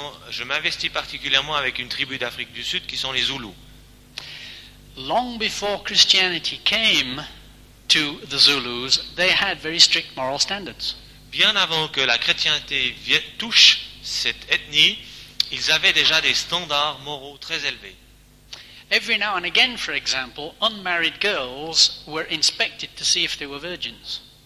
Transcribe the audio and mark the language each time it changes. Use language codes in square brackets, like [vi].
[fr] Je m'investis particulièrement avec une tribu d'Afrique du Sud qui sont les Zoulous. [en] Long before Christianity came to the Zulus, they had very strict moral standards. [fr] Bien avant que la chrétienté touche cette ethnie, ils avaient déjà des standards moraux très élevés. [en] Every now and again, for example, unmarried girls were inspected to see if they were virgins.